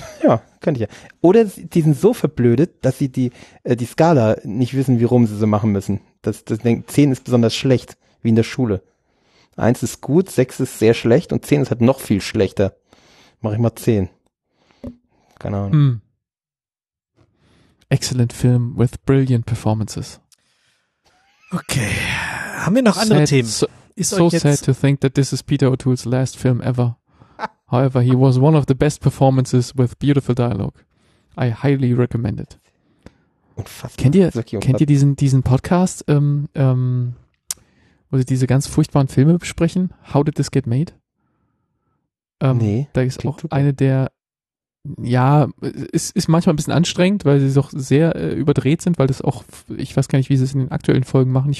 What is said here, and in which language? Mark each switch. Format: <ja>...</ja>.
<de>Ja, könnte ich ja. Oder die sind so verblödet, dass sie die Skala nicht wissen, wie rum sie so machen müssen. Das denkt, 10 ist besonders schlecht, wie in der Schule. 1 ist gut, 6 ist sehr schlecht und 10 ist halt noch viel schlechter. Mach ich mal 10. Keine Ahnung. Mm.</de> <en>Excellent film with brilliant performances.</en> <de>Okay. Haben wir noch andere Themen?</de> <en>So sad to think that this is Peter O'Toole's last film ever. However, he was one of the best performances with beautiful dialogue. I highly recommend it.</en> <de>Unfassbar. Kennt ihr diesen Podcast, wo sie diese ganz furchtbaren Filme besprechen?</de> <en>How Did This Get Made?</en> <de>Nee. Da ist auch eine der, ja, ist manchmal ein bisschen anstrengend, weil sie doch sehr überdreht sind, weil das auch, ich weiß gar nicht, wie sie es in den aktuellen Folgen machen.</de>